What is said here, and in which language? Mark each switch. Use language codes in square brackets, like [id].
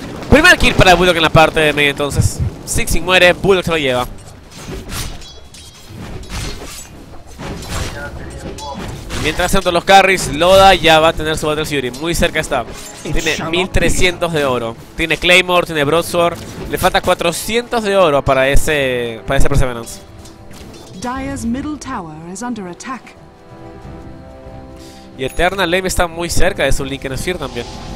[es] Primer kill para el Bulldog en la parte de medio entonces. Sin muere, Bulldog se lo lleva. Mientras tanto los carries, Loda ya va a tener su Battle Fury, muy cerca está. Tiene 1300 de oro. Tiene Claymore, tiene Broadsword. Le falta 400 de oro para ese Perseverance. [en] Dire's middle tower is under attack. [es] Y Eternal Lame está muy cerca de su Link en Sphere también.